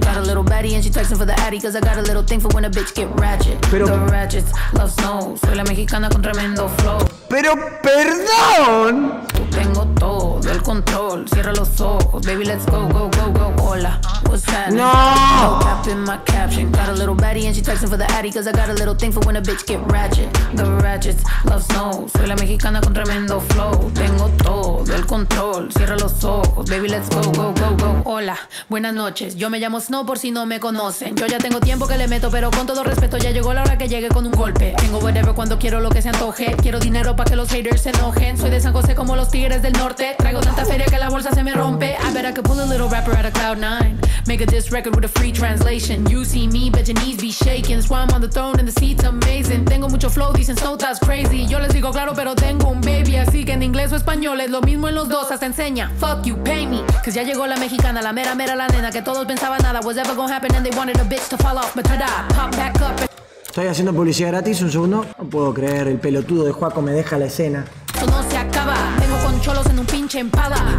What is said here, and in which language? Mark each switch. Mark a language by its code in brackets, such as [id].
[en] Got a little baddie and she texting for the addy, cause I got a little thing for when a bitch get ratchet. Pero... The ratchets love snow. [es] Soy la mexicana con tremendo flow. ¡Pero perdón! Tengo todo. pierdo el control. Cierra los ojos, [en] baby, let's go, go, [es] go, go. [en] Hola, what's happening? No, no cap in my caption. Got a little baddie and she texting for the addy, cause I got a little thing for when a bitch get ratchet. The ratchets love snow. [es] Soy la mexicana con tremendo flow. Tengo todo el control. Cierra los ojos, [en] baby, let's go, go, [es] go, go. Hola, buenas noches. Yo me llamo Snow por si no me conocen. Yo ya tengo tiempo que le meto, pero con todo respeto, ya llegó la hora que llegue con un golpe. Tengo whatever cuando quiero lo que se antoje. Quiero dinero pa' que los haters se enojen. Soy de San José como los tigres del norte. Traigo tanta feria que la bolsa se me rompe. [en] I bet I could pull a little rapper out of cloud nine. Make a diss record with a free translation. You see me, bet your knees be shaking. So I'm on the throne and the seat's amazing. [es] Tengo mucho flow, dicen [en] so that's crazy. [es] Yo les digo claro, pero tengo un baby. Así que en inglés o español es lo mismo en los dos. Hasta enseña, [en] fuck you, pay me. Cause [es] ya llegó la mexicana, la mera mera la nena. [en] Que todos pensaban nada was ever gonna happen. And they wanted a bitch to fall off, but ta-da, pop back up. [es] Estoy haciendo publicidad gratis, un segundo. No puedo creer, el pelotudo de Juaco me deja la escena. Esto no se acaba, vengo con cholos en un pinche empada.